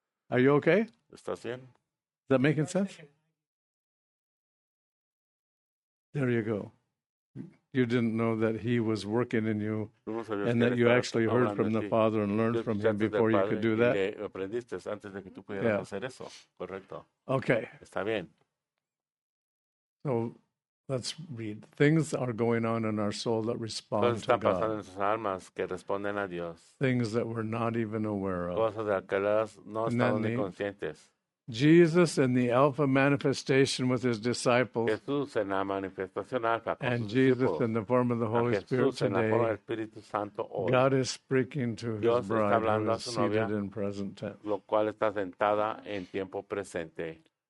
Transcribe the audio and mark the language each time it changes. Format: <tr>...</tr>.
<en>Are you okay?</en> <es>¿Estás bien?</es> <en>Is that making sense? There you go. You didn't know that he was working in you</en> <es>no</es> <en>and that you actually heard from the Father and learned from him before you could do that.</en> <es>Aprendiste antes de que tú pudieras</es> <en>yeah.</en> <es>Hacer eso. Correcto.</es> <en>Okay.</en> <es>Está bien.</es> <en>So let's read. Things are going on in our soul that respond to God.</en> <es>Cosas están pasando en sus almas que responden a Dios.</es> <en>Things that we're not even aware of.</en> <es>Cosas de las que no estamos ni conscientes.</es> <en>Jesus in the alpha manifestation with his disciples.</en> <es>Jesús en la manifestación alfa con</es> <en>and Jesus in the form of the Holy Spirit today.</en> <es>En la forma del Espíritu Santo hoy.</es> <en>God is speaking to</en> <es>Dios</es> <en>his bride</en> <es>está hablando</es> <en>who is seated in present tense.</en> <es>Lo cual está sentada en tiempo presente.</es>